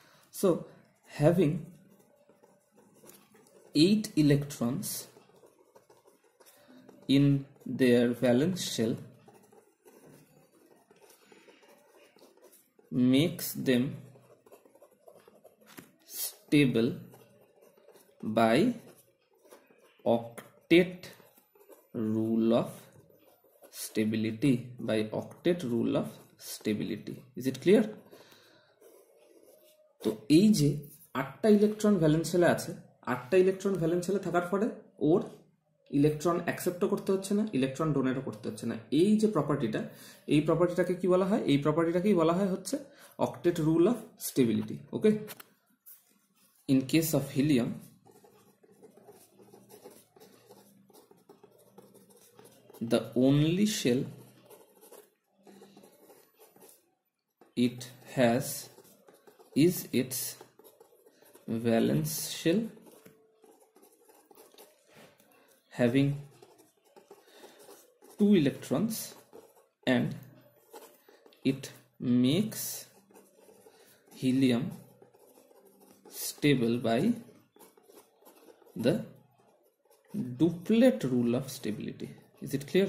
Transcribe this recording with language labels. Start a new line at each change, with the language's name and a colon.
English: So having 8 electrons in their valence shell makes them stable by octet rule of stability. By octet rule of stability. Is it clear?
Bangla: So এই যে 8টা electron valence শেলে আছে, 8টা electron valence শেলে থাকার পরে ওর electron accept করতে হচ্ছে না, electron donate করতে হচ্ছে না। এই যে প্রপার্টিটা, এই প্রপার্টিটাকে কি বলা হয়? এই প্রপার্টিটাকেই বলা হয় হচ্ছে octet rule of stability.
English: Okay, in case of helium the only shell it has is its valence shell having 2 electrons and it makes helium stable by the duplet rule of stability. Is it clear?